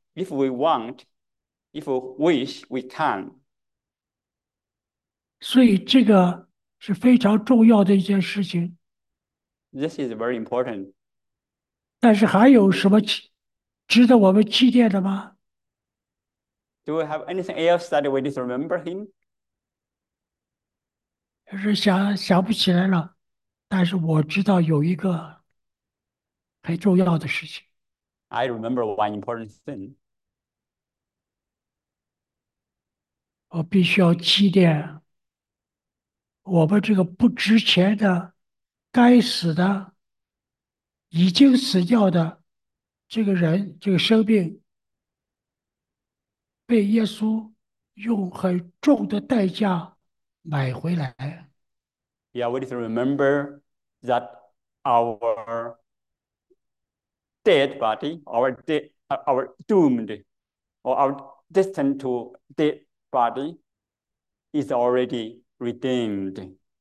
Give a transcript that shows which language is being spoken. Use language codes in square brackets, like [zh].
[en] If we want, if we wish, we can. [zh] 所以这个是非常重要的一件事情。 [en] This is very important. [zh] 但是还有什么值得我们祭奠的吗？ [en] Do we have anything else that we disremember him? [zh] 就是想不起来了，但是我知道有一个很重要的事情。 [en] I remember one important thing. [zh] 我必须要祭奠我们这个不值钱的、该死的、已经死掉的这个人，这个生命被耶稣用很重的代价买回来。 [en] Yeah, we need to remember that our dead body, our doomed or our destined to dead body is already redeemed.